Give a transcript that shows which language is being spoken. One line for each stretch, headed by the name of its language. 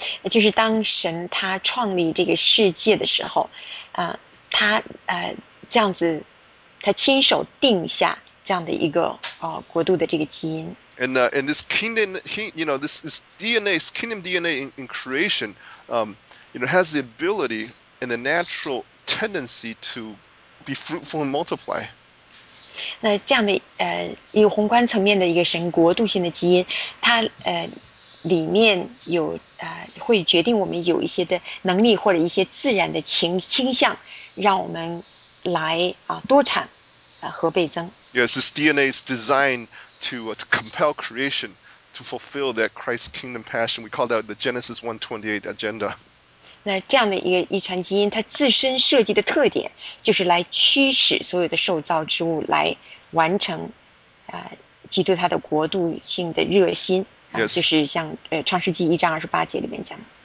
Chinese: 就是当神他创立这个世界的时候，他这样子，他亲手定下这样的一个国度的这个基因。
English: And this kingdom, you know, this DNA, this kingdom DNA in creation, you know, has the ability and the natural tendency to be fruitful and multiply.
Chinese: 那这样的一个宏观层面的一个神国度性的基因，它里面有会决定我们有一些的能力或者一些自然的倾向，让我们来多产和倍增。
English: Yes, this DNA is designed to compel creation to fulfill that Christ kingdom passion. We call that the Genesis 1:28 agenda.
Chinese: 那这样的一个遗传基因，它自身设计的特点就是来驱使所有的受造之物来完成基督他的国度性的热心。
English: Yes.
Chinese: 就是像创世纪一章二十八节里面讲的。